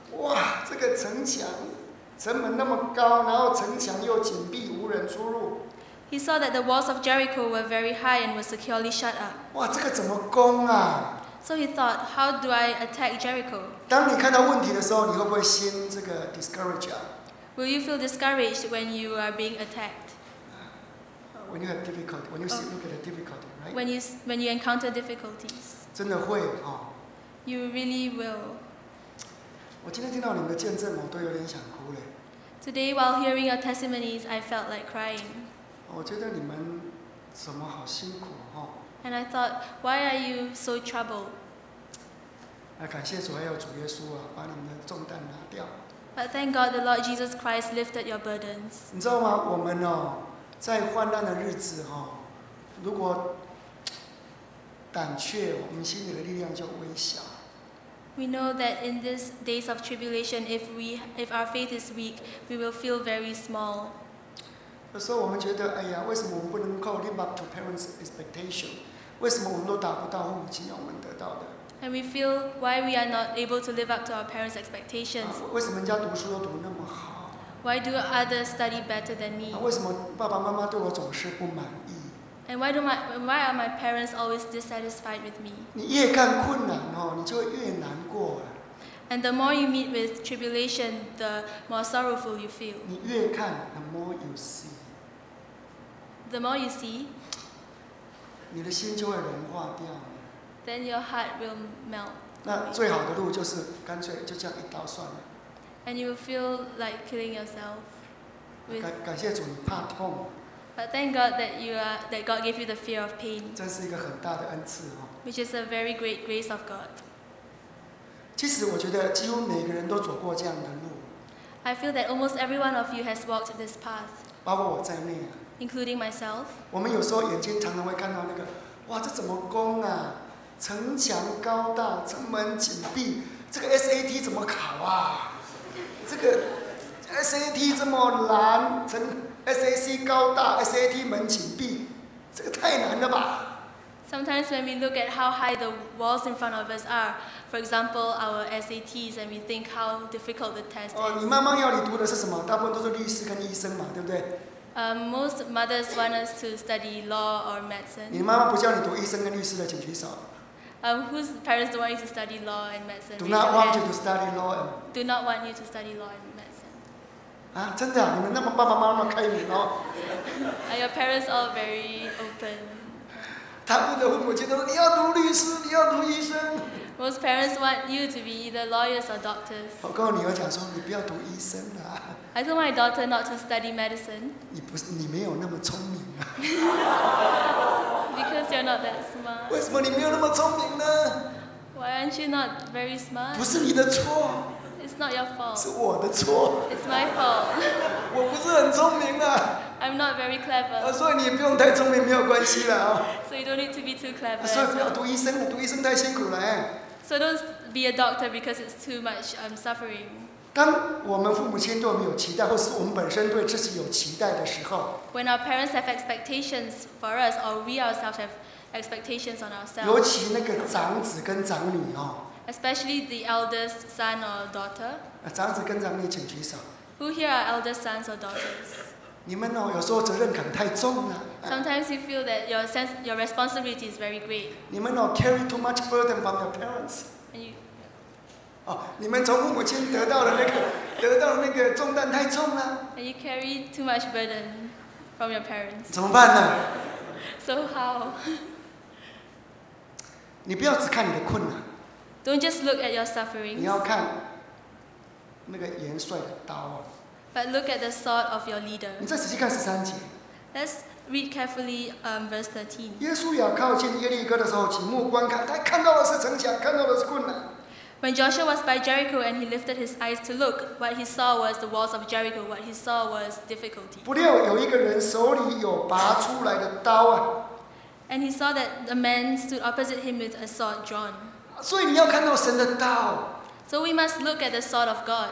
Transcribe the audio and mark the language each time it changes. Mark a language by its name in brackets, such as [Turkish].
[Chinese] 哇，这个城墙，城门那么高，然后城墙又紧闭，无人出入。 [English] He saw that the walls of Jericho were very high and were securely shut up. [Chinese] 哇，这个怎么攻啊？ [English] So he thought, how do I attack Jericho? [Chinese] 当你看到问题的时候，你会不会心这个 discouraged 啊？ [English] Will you feel discouraged when you are being attacked? When you have difficulty, when you see, look at the difficulty, right? When you encounter difficulties. [Chinese] 真的会啊。 [English] You really will. [Chinese] 我今天听到你们的见证，我都有点想哭嘞。 [English] Today, while hearing your testimonies, I felt like crying. [Chinese] 我觉得你们怎么好辛苦哈。 [English] And I thought, why are you so troubled? [Chinese] 来感谢主，还有主耶稣啊，把你们的重担拿掉。 [English] But thank God, the Lord Jesus Christ lifted your burdens. [Chinese] 你知道吗？我们哦，在患难的日子哈，如果胆怯，我们心里的力量就微小。 [English] We know that in these days of tribulation, if our faith is weak, we will feel very small. [Chinese] 有时候我们觉得，哎呀，为什么我们不能够 [English] live up to parents' expectation? [Chinese] 为什么我们都达不到父母亲要我们得到的？ [English] And we feel why we are not able to live up to our parents' expectations. [Chinese] 为什么人家读书都读那么好？ [English] Why do others study better than me? [Chinese] 为什么爸爸妈妈对我总是不满意？ [English] And why are my parents always dissatisfied with me? [Chinese] 你越看困难哦，你就越难过啊。 [English] And the more you meet with tribulation, the more sorrowful you feel. [Chinese] 你越看 [English] ，the more you see. The more you see, [Chinese] 你的心就会融化掉。 [English] Then your heart will melt. [Chinese] 那最好的路就是干脆就这样一刀算了。 [English] And you feel like killing yourself. [Chinese] 感谢主，你怕痛。 [English] But thank God that God gave you the fear of pain. [Chinese] 真是一个很大的恩赐哦。 [English] Which is a very great grace of God. [Chinese] 其实我觉得几乎每个人都走过这样的路。 [English] I feel that almost every one of you has walked this path. [Chinese] 包括我在内啊。 [English] Including myself. [Chinese] 我们有时候眼睛常常会看到那个，哇，这怎么攻啊？城墙高大，城门紧闭，这个 SAT 怎么考啊？这个 SAT 这么难，SAC 高大 ，SAT 门紧闭，这个太难了吧 [English] ？Sometimes when we look at how high the walls in front of us are, for example, our SATs, and we think how difficult the test is. [Chinese] 你妈妈要你读的是什么？大部分都是律师跟医生嘛，对不对 [English] ？Most mothers want us to study law or medicine. [Chinese] 你妈妈不叫你读医生跟律师的，请举手。 [English] Whose parents don't want you to study law and medicine? Do not want you to study law and. Do not want you to study law and. [Chinese] 啊，真的啊！你们那么爸爸妈妈开明哦。 [English] Are your parents all very open? [Chinese] 他们的父母亲都说：“你要读律师，你要读医生。” [English] Most parents want you to be either lawyers or doctors. [Chinese] 我跟我女儿讲说：“你不要读医生啦。” [English] I told my daughter not to study medicine. [Chinese] 你不是，你没有那么聪明啊。 [English] Because you're not that smart. [Chinese] 为什么你没有那么聪明呢？ [English] Why aren't you not very smart? [Chinese] 不是你的错。 [English] It's not your fault. [Chinese] 是我的错。 [English] It's my fault. [Chinese] 我不是很聪明啊。 [English] I'm not very clever. [Chinese] 所以你不用太聪明，没有关系啦。 [English] So you don't need to be too clever. [Chinese] 所以不要读医生，读医生太辛苦了。 [English] So don't be a doctor because it's too much suffering. [Chinese] 当我们父母亲对我们有期待，或是我们本身对自己有期待的时候 [English] ，When our parents have expectations for us, or we ourselves have expectations on ourselves， [Chinese] 尤其那个长子跟长女哦 [English] ，Especially the eldest son or daughter。 [Chinese] 长子跟长女，请举手。 [English] Who here are eldest sons or daughters？ [Chinese] 你们哦，有时候责任感太重了。 [English] Sometimes you feel that your responsibility is very great。 [Chinese] 你们哦 [English] ，carry too much burden from your parents。 [Chinese] 你们从父母亲得到的那个，得到的那个重担太重了。 [English] And you carry too much burden from your parents。 [Chinese] 怎么办呢 [English] ？So how？ [Chinese] 你不要只看你的困难。 [English] Don't just look at your sufferings。 [Chinese] 你要看那个元帅的刀啊。 [English] But look at the sword of your leader。 [Chinese] 你再仔细看十三节。 [English] Let's read carefully, verse 13。 [Chinese] 耶稣要靠近耶利哥的时候，举目观看，他看到的是城墙，看到的是困难。 [English] When Joshua was by Jericho and he lifted his eyes to look, what he saw was the walls of Jericho. What he saw was difficulty. [Chinese] 不料有一个人手里有拔出来的刀啊。 [English] And he saw that a man stood opposite him with a sword drawn. [Chinese] 所以你要看到神的刀。 So we must look at the sword of God.